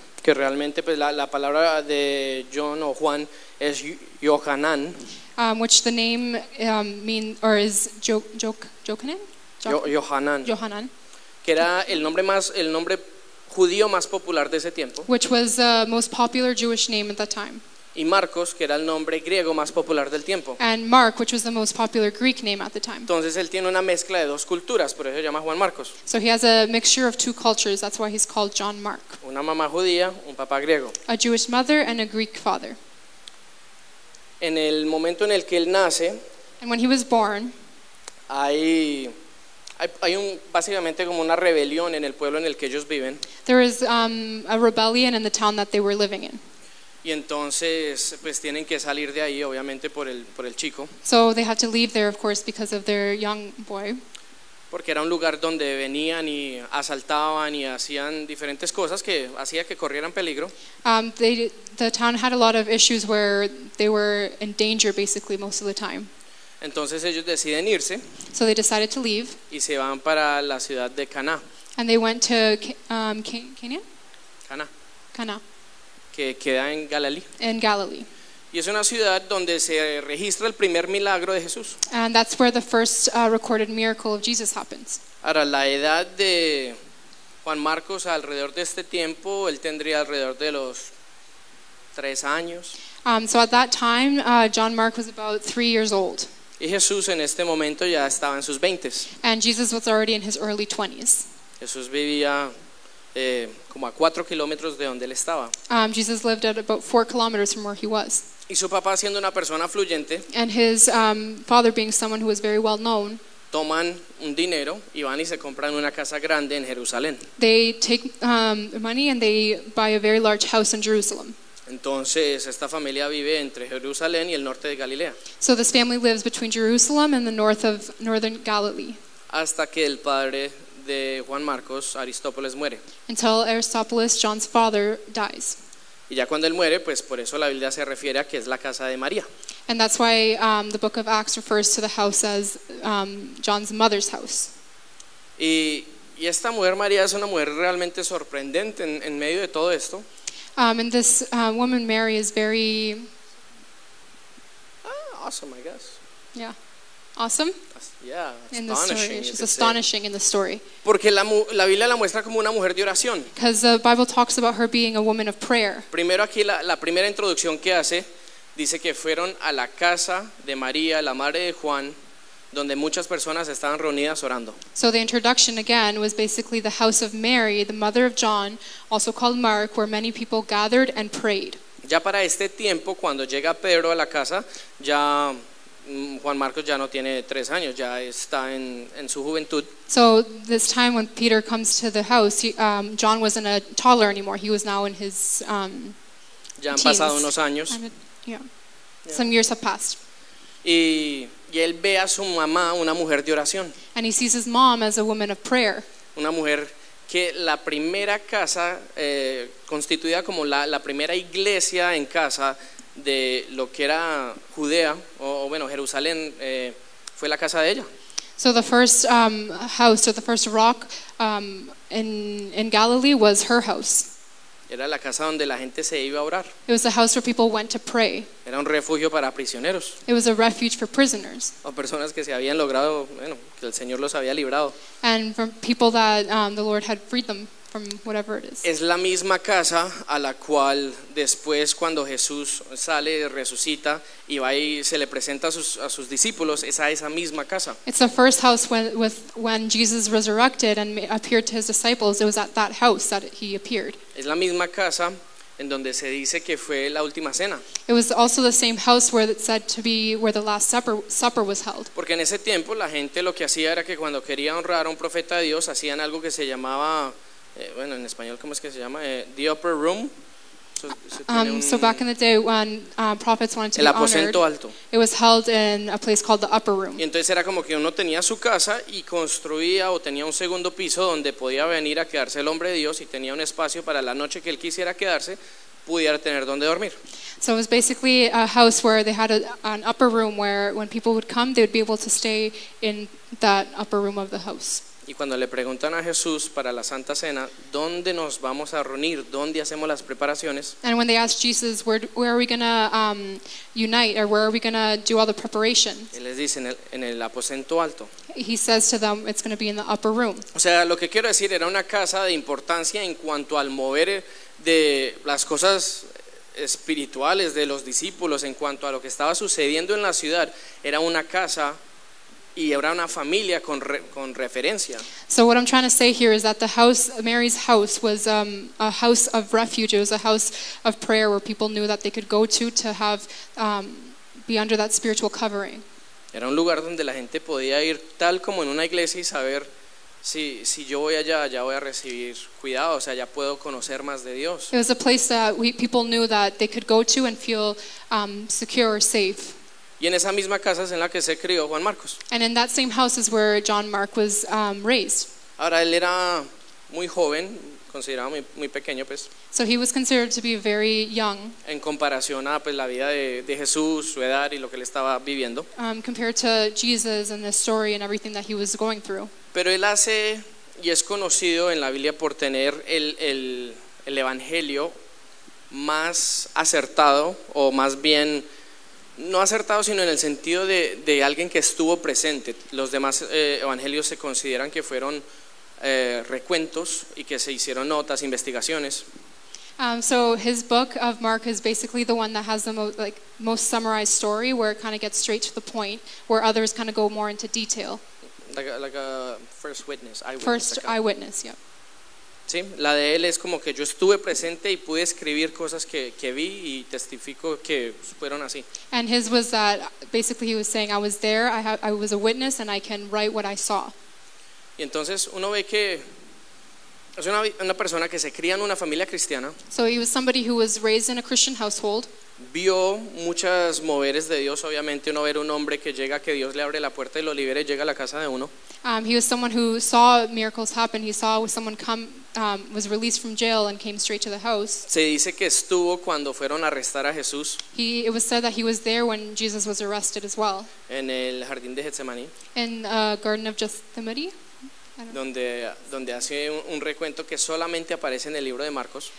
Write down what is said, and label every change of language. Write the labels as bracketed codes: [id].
[es] Que realmente pues la palabra de John o Juan es Yohanan. [en] Which the name means or is Yohanan? Yohanan. Yohanan. [es] Que era el nombre judío más popular de ese tiempo. [en] Which was the most popular Jewish name at that time. [es] Y Marcos, que era el nombre griego más popular del tiempo. [en] And Mark, which was the most popular Greek name at the time. [es] Entonces él tiene una mezcla de dos culturas, por eso se llama Juan Marcos. [en] So he has a mixture of two cultures, that's why he's called John Mark. [es] Una mamá judía, un papá griego. [en] A Jewish mother and a Greek father. [es] En el momento en el que él nace, [en] and when he was born, [es] hay un básicamente como una rebelión en el pueblo en el que ellos viven. [en] There is a rebellion in the town that they were living in. [es] Y entonces pues tienen que salir de ahí obviamente por el chico. [en] So they had to leave there of course because of their young boy. [es] Porque era un lugar donde venían y asaltaban y hacían diferentes cosas que hacía que corrieran peligro. [en] The town had a lot of issues where they were in danger basically most of the time. [es] Entonces ellos deciden irse. [en] So they decided to leave. [es] Y se van para la ciudad de Cana. [en] And they went to Canaan? [es] Cana. Que queda en Galilee. [en] In Galilee. [es] Y es una ciudad donde se registra el primer milagro de Jesús. [en] And that's where the first recorded miracle of Jesus happens. [es] Ahora, la edad de Juan Marcos alrededor de este tiempo, él tendría alrededor de los 3 años. [en] So at that time, John Mark was about 3 years old. [es] Y Jesús en este momento ya estaba en sus 20s. [en] And Jesus was already in his early 20s. [es] Jesús vivía como a 4 kilómetros de donde él estaba. [en] Jesus lived at about 4 kilometers from where he was. [es] Y su papá siendo una persona fluyente. [en] And his father being someone who was very well known. [es] Toman un dinero y van y se compran una casa grande en Jerusalén. [en] They take money and they buy a very large house in Jerusalem. [es] Entonces esta familia vive entre Jerusalén y el norte de Galilea. [en] So this family lives between Jerusalem and the north of northern Galilee. [es] Hasta que el padre de Juan Marcos, Aristópolis, muere. [en] Until Aristópolis, John's father, dies. [es] Y ya cuando él muere, pues por eso la Biblia se refiere a que es la casa de María. [en] And that's why the book of Acts refers to the house as John's mother's house. [es] Y esta mujer María es una mujer realmente sorprendente en medio de todo esto. [en] And this woman Mary is very awesome, I guess. Yeah. Awesome. Yeah, in the story, she's astonishing in the story. [es] Porque la Biblia la muestra como una mujer de oración. [en] Because the Bible talks about her being a woman of prayer. [es] Primero aquí la primera introducción que hace dice que fueron a la casa de María, la madre de Juan, donde muchas personas estaban reunidas orando. [en] So the introduction again was basically the house of Mary, the mother of John, also called Mark, where many people gathered and prayed. [es] Ya para este tiempo, cuando llega Pedro a la casa, ya Juan Marcos ya no tiene 3 años, ya está en su juventud. [en] So this time when Peter comes to the house, John wasn't a toddler anymore. He was now in his [es] ya han pasado unos años. [en] Some years have passed. [es] Y él ve a su mamá, una mujer de oración. [en] And he sees his mom as a woman of prayer. [es] Una mujer que la primera casa constituida como la primera iglesia en casa de lo que era Judea o bueno Jerusalén fue la casa de ella. [en] So the first house or the first rock in Galilee was her house. [es] Era la casa donde la gente se iba a orar. [en] It was the house where people went to pray. [es] Era un refugio para prisioneros. [en] It was a refuge for prisoners. [es] O personas que se habían logrado, bueno, que el Señor los había librado. [en] And from people that the Lord had freed them from whatever it is. [es] Es la misma casa a la cual después cuando Jesús sale, resucita y va y se le presenta a sus discípulos, es a esa misma casa. [en] It's the first house when Jesus resurrected and appeared to his disciples. It was at that house that he appeared. [es] Es la misma casa en donde se dice que fue la última cena. [en] It was also the same house where it said to be where the last supper was held. [es] Porque en ese tiempo la gente lo que hacía era que cuando quería honrar a un profeta de Dios hacían algo que se llamaba bueno, en español, ¿cómo es que se llama? [en] The upper room. So back in the day when prophets wanted to [es] el aposento [en] be honored, [es] alto. [en] It was held in a place called the upper room. [es] Y entonces era como que uno tenía su casa y construía o tenía un segundo piso donde podía venir a quedarse el hombre de Dios y tenía un espacio para la noche que él quisiera quedarse, pudiera tener donde dormir. [en] So it was basically a house where they had an upper room where when people would come, they would be able to stay in that upper room of the house. [es] Y cuando le preguntan a Jesús para la Santa Cena, ¿dónde nos vamos a reunir? ¿Dónde hacemos las preparaciones? [en] And when they ask Jesus, where are we going to unite or where are we going to do all the preparations? [es] Él les dice en el aposento alto. [en] He says to them, it's going to be in the upper room. [es] O sea, lo que quiero decir era una casa de importancia en cuanto al mover de las cosas espirituales de los discípulos, en cuanto a lo que estaba sucediendo en la ciudad, era una casa y habrá una familia con referencia. [en] So what I'm trying to say here is that the house, Mary's house, was a house of refuge. It was a house of prayer where people knew that they could go to have be under that spiritual covering. [es] Era un lugar donde la gente podía ir tal como en una iglesia y saber si yo voy allá, ya voy a recibir cuidado, o sea, ya puedo conocer más de Dios. [en] It was a place that people knew that they could go to and feel secure or safe. [es] Y en esa misma casa es en la que se crió Juan Marcos. [en] And in that same house is where John Mark was raised. [es] Ahora él era muy joven, considerado muy, muy pequeño, pues. [en] So he was considered to be very young. [es] En comparación a pues la vida de Jesús, su edad y lo que él estaba viviendo. [en] Compared to Jesus and the story and everything that he was going through. [es] Pero él hace y es conocido en la Biblia por tener el evangelio más acertado o más bien no acertado, sino en el sentido de alguien que estuvo presente. Los demás evangelios se consideran que fueron recuentos y que se hicieron notas, investigaciones. [en] So his book of Mark is basically the one that has the most summarized story, where it kind of gets straight to the point, where others kind of go more into detail. Like a first witness. First eyewitness, yep. [es] Sí, la de él es como que yo estuve presente y pude escribir cosas que vi y testifico que fueron así. [en] And his was that basically he was saying I was there, I was a witness and I can write what I saw. [es] Y entonces uno ve que es una persona que se cría en una familia cristiana. [en] So he was somebody who was raised in a Christian household. [es] vio muchas moveres de Dios. Obviamente uno ver un hombre que llega, que Dios le abre la puerta y lo libera y llega a la casa de uno. [en] He was someone who saw miracles happen. He saw someone come, was released from jail and came straight to the house. [es] Se dice que estuvo cuando fueron a arrestar a Jesús. [en] It was said that he was there when Jesus was arrested as well. [es] En el jardín de Getsemaní. [en] In the Garden of Gethsemane. [es] Donde hace un recuento que solamente aparece en el libro de Marcos.